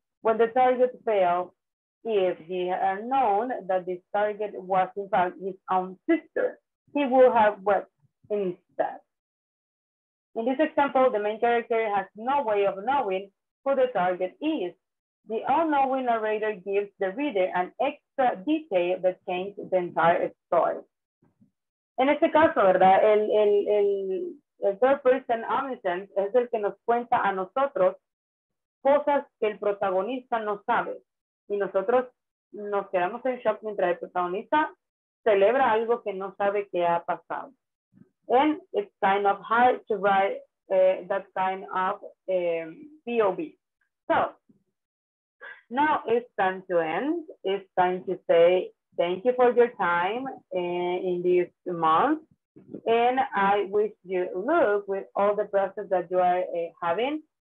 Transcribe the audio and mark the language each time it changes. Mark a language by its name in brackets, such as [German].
[English] When the target fell, if he had known that this target was in fact his own sister, he would have wept instead. In this example, the main character has no way of knowing who the target is. The unknowing narrator gives the reader an extra detail that changes the entire story. [Spanish] En este caso, ¿verdad? El [English] third person omniscient [Spanish] es el que nos cuenta a nosotros cosas que el protagonista no sabe. Y nosotros nos quedamos en shock mientras el protagonista celebra algo que no sabe que ha pasado. [English] And it's kind of hard to write that kind of POV. So, now it's time to end. It's time to say thank you for your time in this month. And I wish you luck with all the process that you are having.